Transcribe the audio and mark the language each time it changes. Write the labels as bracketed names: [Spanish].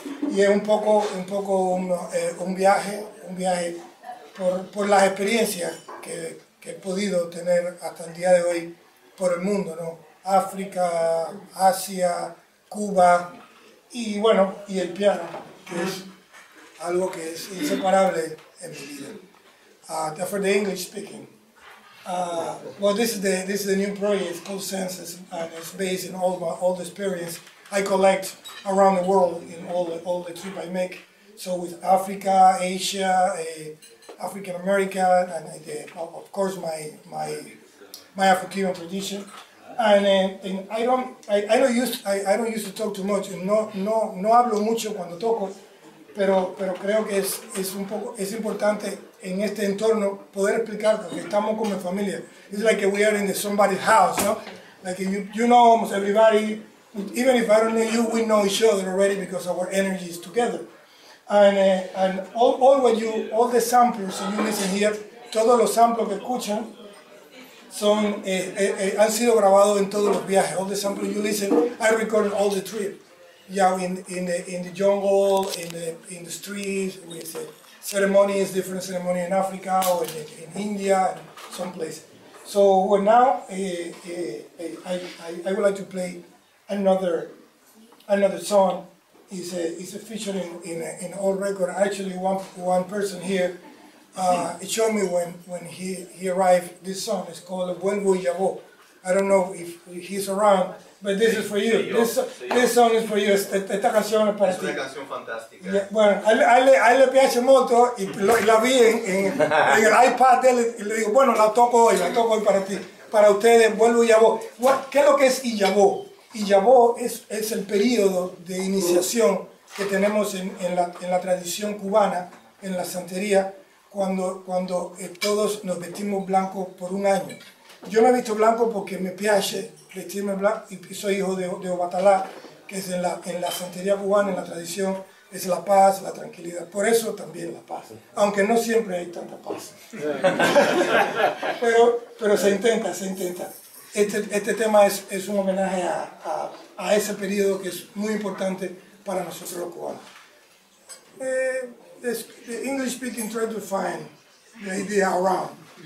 [Spanish] Y es un viaje por las experiencias que he podido tener hasta el día de hoy por el mundo, ¿no? África, Asia, Cuba, y bueno, y el piano, que es algo que es inseparable en mi vida. [English] For the English speaking. This is the new project, it's called Census, and it's based in all the experience I collect around the world in all the trip I make. So with Africa, Asia, African America, and of course my African tradition. And I don't use to talk too much. [Spanish] No hablo mucho cuando toco, pero creo que es importante en este entorno poder explicar porque estamos con mi familia. [English] It's like we are in somebody's house, no? Like you know almost everybody. Even if I don't know you, we know each other already because our energy is together. And all the samples that you listen here, [Spanish] todos los samples que escuchan, han sido grabados en todos los viajes. [English] All the samples you listen, I recorded all the trip. Yeah, in the jungle, in the streets, with ceremonies, different ceremonies in Africa or in India, and some places. So well, now I would like to play another song. It's a feature in old record. Actually, one person here, it showed me when he arrived. This song is called "Vuelvo y Ya Voy." I don't know if he's around, but this is for you. This song is for you. [Spanish] Esta canción es para ti. Es una canción fantástica. Yeah. Bueno, a él le piace mucho y la vi en el iPad de él y le digo, bueno, la toco hoy para ti. Para ustedes, vuelvo y Ya Voy. ¿Qué es lo que es y Ya Voy? Y Ya Voy es el periodo de iniciación que tenemos en la tradición cubana, en la santería, cuando todos nos vestimos blancos por un año. Yo me he visto blanco porque me piace vestirme blanco y soy hijo de Obatalá, que es en la santería cubana, en la tradición, es la paz, la tranquilidad. Por eso también la paz. Aunque no siempre hay tanta paz. Pero se intenta. Este tema es un homenaje a ese periodo que es muy importante para nosotros los cubanos. [English] The English speaking try to find the idea around.